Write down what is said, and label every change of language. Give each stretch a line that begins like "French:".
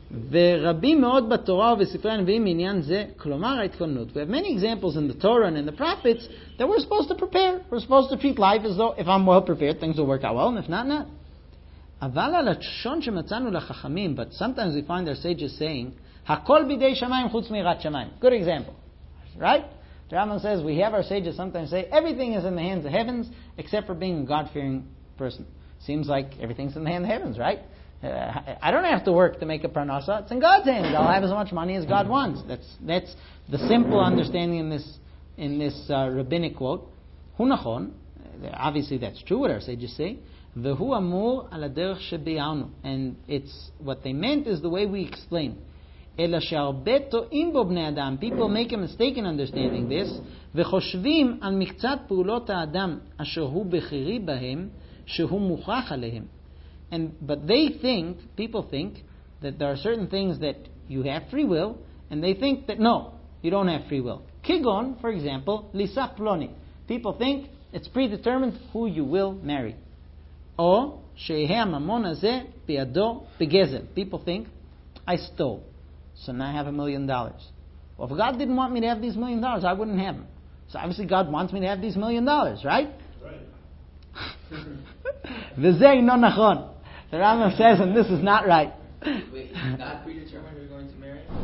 Hebrew: ורבים מאוד בתורה ובספרי הנביאים מעניין זה כלומר ההתכוננות.
English: We have many examples in the Torah and in the prophets that we're supposed to prepare. We're supposed to treat life as though if I'm well prepared, things will work out well, and if not, not.
Hebrew: אבל על הלשון שמצאנו לחכמים,
English: but sometimes we find our sages saying,
Hebrew: הכל בידי שמיים חוץ מיראת שמיים.
English: Good example. Right? The Rambam says, we have our sages sometimes say, everything is in the hands of heavens except for being a God-fearing person. Seems like everything's in the hand of heavens, right? I don't have to work to make a parnasa. It's in God's hands. I'll have as much money as God wants. That's the simple understanding in this rabbinic quote.
Hebrew: Hu nachon.
English: Obviously, that's true. What our sages say.
Hebrew: V'hu amur al haderech shebi'anu.
English: And it's what they meant is the way we explain.
Hebrew: אלא שהרבה טועים בו בני אדם.
English: People make a mistake in understanding this,
Hebrew: וחושבים על מקצת פעולות האדם אשר הוא בחירי בהם, שהוא מוכרח עליהם.
English: And, but they think, people think, that there are certain things that you have free will, and they think that, no, you don't have free will. Kigon, for example, Lisa Ploni. People think it's predetermined who you will marry.
Hebrew: Or, שיהיה הממון הזה בידו בגזל.
English: People think, I stole. So now I have $1 million. Well, if God didn't want me to have these $1 million, I wouldn't have them. So obviously God wants me to have these $1 million, right? Right.
Hebrew: וזה אינו נכון.
English: The Rambam says, and this is not right. Wait, is God predetermined you're going to marry?